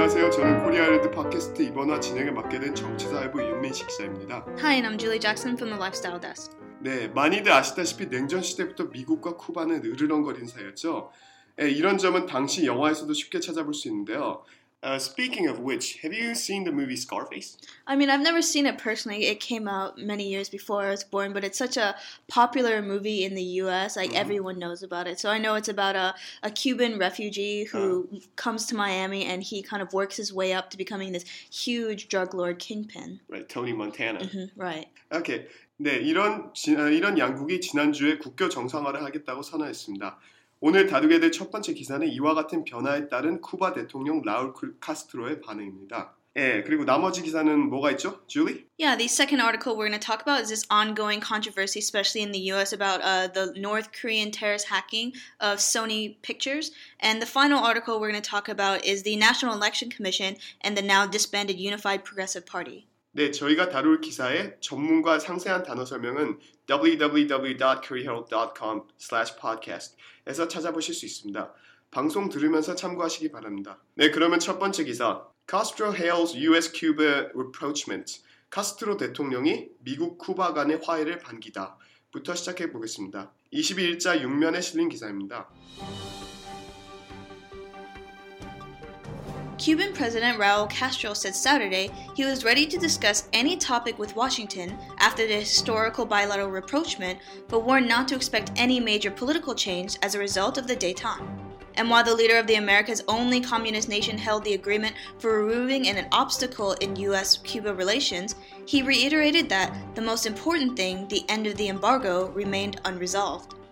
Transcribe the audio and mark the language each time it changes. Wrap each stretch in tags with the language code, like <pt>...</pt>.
<ko>저는 코리아일드 팟캐스트 이번화 진행을 맡게 된 정치사회부 윤민식 기자입니다.</ko> <en>Hi, and I'm Julie Jackson from the Lifestyle Desk.</en> <ko>네, 많이들 아시다시피 냉전 시대부터 미국과 쿠바는 으르렁거린 사이였죠. 네, 이런 점은 당시 영화에서도 쉽게 찾아볼 수 있는데요.</ko> <en>Speaking of which, have you seen the movie Scarface? I mean, I've never seen it personally. It came out many years before I was born, but it's such a popular movie in the U.S. Like, everyone knows about it. So I know it's about a Cuban refugee who comes to Miami, and he kind of works his way up to becoming this huge drug lord kingpin. Right, Tony Montana. Right. Okay.</en> <ko>네, 이런 양국이 지난주에 국교 정상화를 하겠다고 선언했습니다. 오늘 다루게 될 첫 번째 기사는 이와 같은 변화에 따른 쿠바 대통령 라울 카스트로의 반응입니다. 예, 그리고 나머지 기사는 뭐가 있죠?</ko> <en>Julie? Yeah, the second article we're going to talk about is this ongoing controversy, especially in the U.S., about the North Korean terrorist hacking of Sony Pictures. And the final article we're going to talk about is the National Election Commission and the now disbanded Unified Progressive Party.</en> <ko>네, 저희가 다룰 기사의 전문과 상세한 단어 설명은 www.koreaherald.com/podcast에서 찾아보실 수 있습니다. 방송 들으면서 참고하시기 바랍니다. 네, 그러면 첫 번째 기사. Castro hails US-Cuba rapprochement. 카스트로 대통령이 미국 쿠바 간의 화해를 반기다. 부터 시작해 보겠습니다. 22일자 6면에 실린 기사입니다.</ko> <en>Cuban President Raul Castro said Saturday he was ready to discuss any topic with Washington after the historical bilateral rapprochement, but warned not to expect any major political change as a result of the détente. And while the leader of the America's only communist nation held the agreement for removing an obstacle in U.S.-Cuba relations, he reiterated that the most important thing, the end of the embargo, remained unresolved.</en>